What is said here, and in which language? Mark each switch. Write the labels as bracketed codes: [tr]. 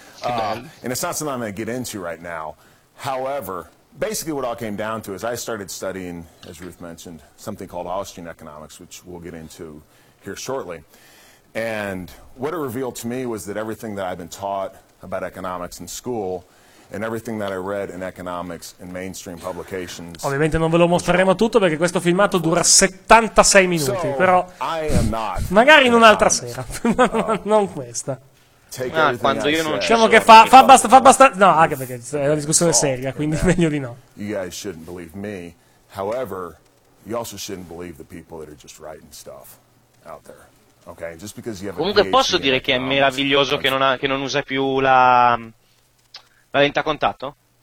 [en] And it's not something I'm going to get into right now. However, basically what all came down to is I started studying, as Ruth mentioned, something called Austrian economics, which we'll get into here shortly. And what it revealed to me was that everything that I've been taught about economics in school and everything that I read in economics in mainstream publications... [it] Ovviamente non ve lo mostreremo tutto perché questo filmato dura 76 minuti, però [en] I am not [it] magari in un'altra sera, non questa. Quando io non diciamo che fa abbastanza. No, anche perché è una discussione seria, quindi meglio di no. [en] You guys shouldn't believe me. However, you also shouldn't believe the people that are just writing stuff out there. Okay? Just because you have [it] comunque posso dire che è meraviglioso che non usa più la lente a contatto?